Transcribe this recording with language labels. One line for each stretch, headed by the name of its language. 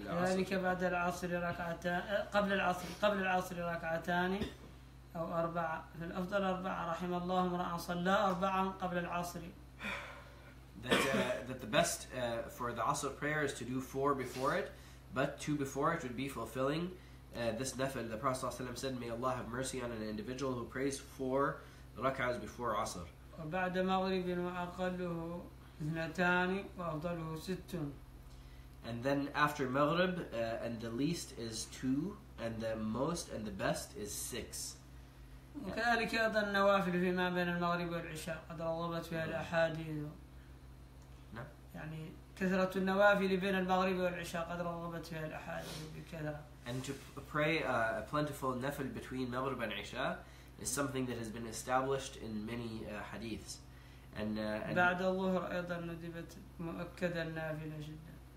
Arabic: ذلك بعد العصر ركعتان قبل العصر ركعتان أو أربعة في الأفضل أربعة رحم الله امرأ صلى أربعة قبل العصر.
English: That the best for the Asr prayer is to do four before it, but two before it would be fulfilling. This nafil, the Prophet ﷺ said, may Allah have mercy on an individual who prays four rak'ahs before Asr.
Arabic: وبعد مغرب وأقله اثنتان وأفضله ست.
English: And then after Maghrib, and the least is two, and the most and the best is six.
Arabic: وكذلك أيضا النوافل فيما بين المغرب والعشاء قد رغبت فيها الأحاديث. يعني كثرة النوافل بين المغرب والعشاء قد رغبت فيها الأحاديث بكذا.
English: And to pray a plentiful nafil between Maghrib and Isha is something that has been established in many hadiths. And
Arabic: بعد الظهر أيضا ندبت مؤكدا النافلة جدا.